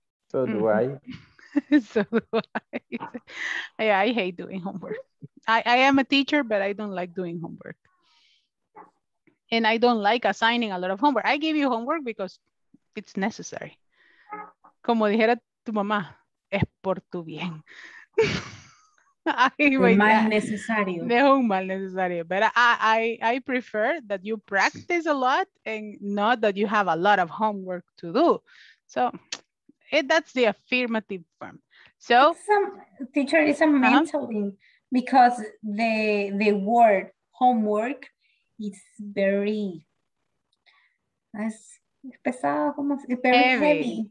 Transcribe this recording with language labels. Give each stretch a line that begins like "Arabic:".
English: So do I. So do I. Yeah, I hate doing homework. I am a teacher, but I don't like doing homework. And I don't like assigning a lot of homework. I give you homework because it's necessary.
Spanish: Como dijera tu mamá, es por tu bien. Necesario.
English: But I prefer that you practice a lot and not that you have a lot of homework to do. So that's the affirmative form. So it's a mental thing because the word homework is very heavy.